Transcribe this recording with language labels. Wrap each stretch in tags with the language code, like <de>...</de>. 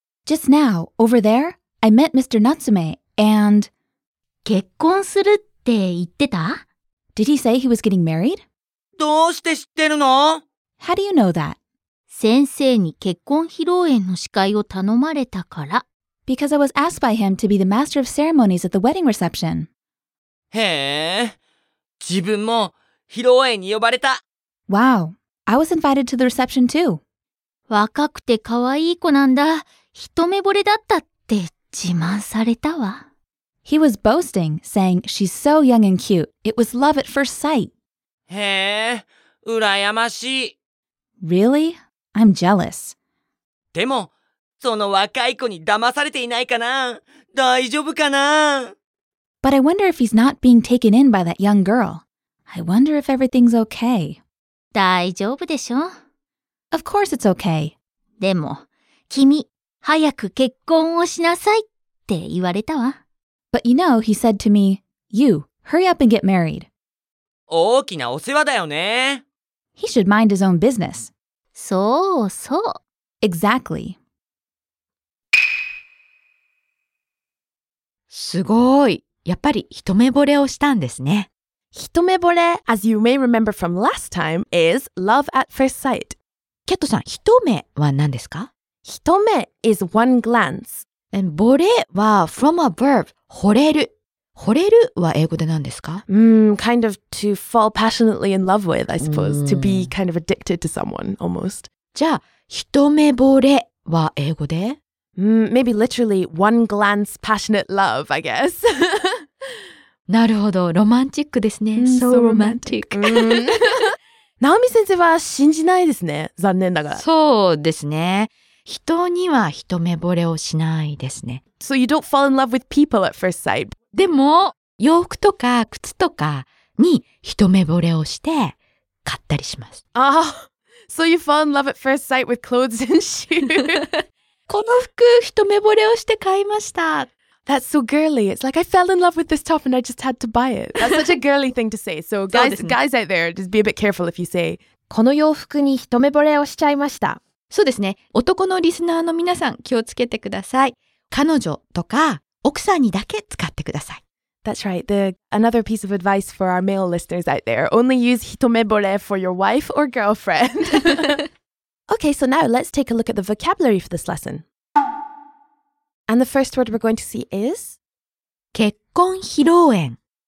<en>Just now, over there, I met Mr. Natsume and</en> <ja>結婚するって言ってた?</ja> <en>Did he say he was getting married?</en> <ja>どうして知ってるの?</ja> <en>How do you know that?</en> <ja>先生に結婚披露宴の司会を頼まれたから。</ja> <en>Because I was asked by him to be the master of ceremonies at the wedding reception.</en> <ja>へえ、自分も披露宴に呼ばれた。</ja> <en>Wow. I was invited to the reception too.</en> <ja>若くて可愛い子なんだ、一目惚れだったって自慢されたわ。</ja> <en>He was boasting, saying, she's so young and cute. It was love at first sight.</en> <ja>へえ、羨ましい。</ja> <en>Really? I'm jealous.</en> <ja>でも、その若い子に騙されていないかな？大丈夫かな？</ja> <en>But I wonder if he's not being taken in by that young girl. I wonder if everything's okay.</en> <ja>大丈夫でしょ?</ja> <en>Of course it's okay.</en> <ja>でも、君、早く結婚をしなさいっって言われたわ。</ja> <en>But you know, he said to me, You, hurry up and get married.</en> <ja>大きなお世話だよね。</ja> <en>He should mind his own business.</en> <ja>そうそう。</ja> <en>Exactly.</en> <ja>すごい。やっぱり一目惚れをしたんですね。</ja> <en>一目惚れ、as you may remember from last time, is love at first sight.</en> <ja>キャットさん、一目は何ですか？</ja> <en>一目 is one glance. And 惚れは from a verb, 惚れる。</en> <ja>惚れるは英語で何ですか？</ja> <en>Kind of to fall passionately in love with, I suppose. To be kind of addicted to someone, almost.</en> <ja>じゃあ、一目惚れは英語で？</ja> <en>Maybe literally one glance passionate love, I guess.</en> <ja>なるほど、ロマンチックですね。</ja> <en>So romantic.</en> <ja>ナオミ先生は信じないですね、残念ながら。そうですね。人には一目惚れをしないですね。</ja> <en>So you don't fall in love with people at first sight.</en> <ja>でも、洋服とか靴とかに一目惚れをして買ったりします。</ja> <en>Oh, so you fall in love at first sight with clothes and shoes.</en> <ja>この服、一目惚れをして買いました。</ja> <en>That's so girly. It's like I fell in love with this top and I just had to buy it. That's such a girly thing to say. So guys, guys out there, just be a bit careful if you say,</en> <ja>この洋服に一目惚れをしちゃいました。そうですね。男のリスナーの皆さん、気をつけてください。彼女とか奥さんにだけ使ってください。</ja> <en>That's right. Another piece of advice for our male listeners out there. Only use 一目惚れ for your wife or girlfriend. Okay, so now let's take a look at the vocabulary for this lesson. And the first word we're going to see is?</en> <ja>結婚披露宴</ja>